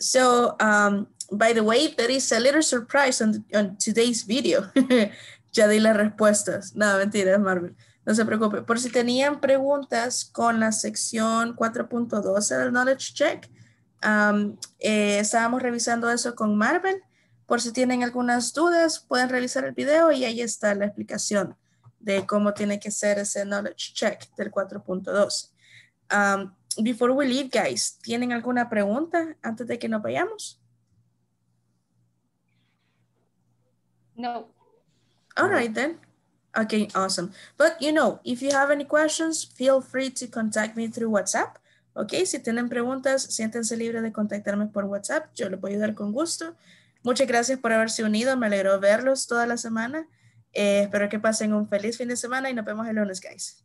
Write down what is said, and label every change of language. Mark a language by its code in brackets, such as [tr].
[en] So, by the way, there is a little surprise on today's video. [es] Ya di las respuestas. No, mentira, es Marvel. No se preocupe. Por si tenían preguntas con la sección 4.12 del Knowledge Check, estábamos revisando eso con Marvel. Por si tienen algunas dudas, pueden revisar el video y ahí está la explicación de cómo tiene que ser ese Knowledge Check del 4.12. [en] Before we leave, guys, [es] ¿tienen alguna pregunta antes de que nos vayamos? No. [en] All right then. Okay, awesome. But you know, if you have any questions, feel free to contact me through WhatsApp. [es] Okay, si tienen preguntas, siéntense libre de contactarme por WhatsApp. Yo les voy a ayudar con gusto. Muchas gracias por haberse unido. Me alegro verlos toda la semana. Espero que pasen un feliz fin de semana y nos vemos el lunes, guys.